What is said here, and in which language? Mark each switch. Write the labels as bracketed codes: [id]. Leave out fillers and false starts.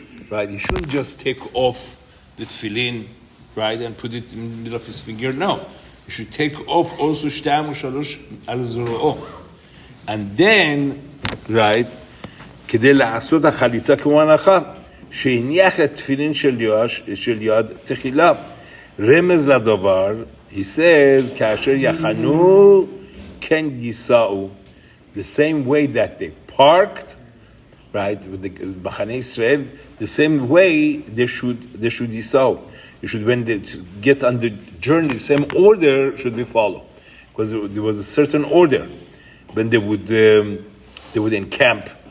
[en] Right, he shouldn't just take off the tefillin, right, and put it in the middle of his finger. No, he should take off also shtaim v'sharosh al zero, and then, right, [he] כדי לעשות החליצה כמו הנחה, שהניח את תפילין של יד תחילה. רמז לדבר, [en] he says, [he] כאשר יחנו, כן יישאו. [en] The same way that they parked, right, with the בחני ישראל, the same way they should יישאו. You should, when they get on the journey, the same order should be followed. Because there was a certain order when they would encamp.